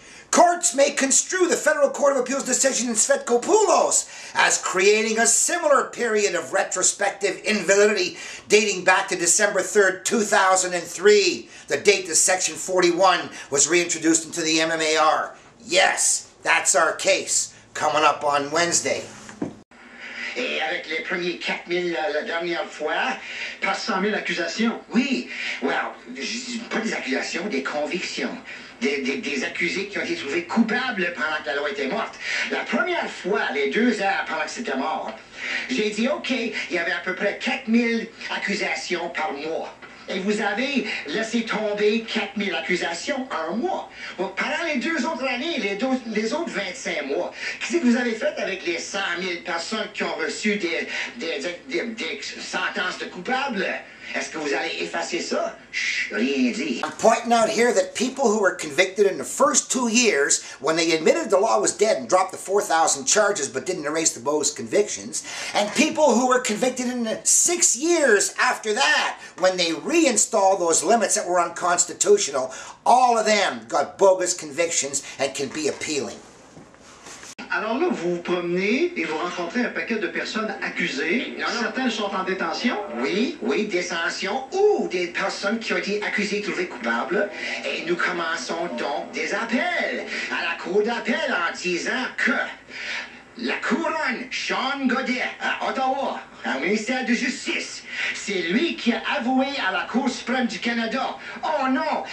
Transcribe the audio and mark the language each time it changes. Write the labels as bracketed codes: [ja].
[en] Courts may construe the Federal Court of Appeals decision in Svetkopoulos as creating a similar period of retrospective invalidity dating back to December 3rd, 2003, the date that Section 41 was reintroduced into the MMAR. Yes, that's our case, coming up on Wednesday. [fr] Et avec les premiers 4000 la dernière fois, pas 100 000 accusations. Oui. Well, pas des accusations, des convictions. Des accusés qui ont été trouvés coupables pendant que la loi était morte. La première fois, les 2 heures pendant que c'était mort, j'ai dit, OK, il y avait à peu près 4000 accusations par mois. Et vous avez laissé tomber 4000 accusations en un mois. Bon, pendant les 2 autres années, les autres 25 mois, qu'est-ce que vous avez fait avec les 100 000 personnes qui ont reçu des sentences de coupables? Est-ce que vous allez effacer ça? [en] I'm pointing out here that people who were convicted in the first 2 years, when they admitted the law was dead and dropped the 4,000 charges but didn't erase the bogus convictions, and people who were convicted in the 6 years after that, when they reinstalled those limits that were unconstitutional, all of them got bogus convictions and can be appealing. [fr] Alors là, vous vous promenez et vous rencontrez un paquet de personnes accusées. Non, certaines sont en détention. Oui, oui, détention ou des personnes qui ont été accusées, trouvées coupables. Et nous commençons donc des appels à la cour d'appel en disant que la couronne Sean Godet à Ottawa, au ministère de justice, c'est lui qui a avoué à la Cour suprême du Canada. Oh non!